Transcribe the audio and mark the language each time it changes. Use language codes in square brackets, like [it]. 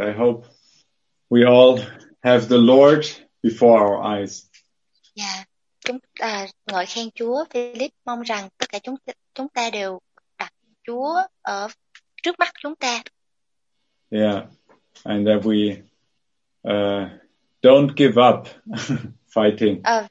[en] I hope we all have the Lord before our eyes. Yeah. [vi] Chúng ta ngợi khen Chúa, Philip mong rằng tất cả chúng ta đều đặt Chúa ở trước mắt chúng ta. [en] Yeah, and that we don't give up fighting.